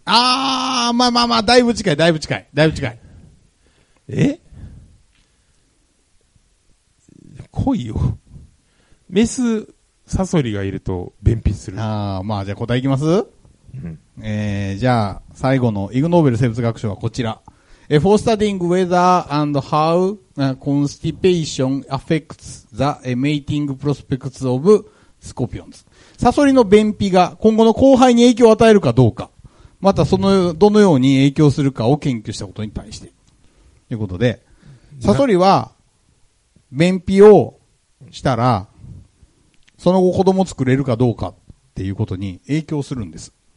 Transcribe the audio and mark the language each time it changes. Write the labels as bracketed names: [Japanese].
[Japanese] あー、まあまあまあ、だいぶ近い、だいぶ近い、だいぶ近い。え？恋を。メス、サソリがいると便秘する。あー、まあじゃあ答えいきます？うん。じゃあ、最後のイグノーベル生物学賞はこちら。 [English] For studying whether and how constipation affects the mating prospects of scorpions. [Japanese] サソリの便秘が今後の交配に影響を与えるかどうか、またその、どのように影響するかを研究したことに対して。ということで、サソリは便秘をしたら、その後子供作れるかどうかっていうことに影響するんです。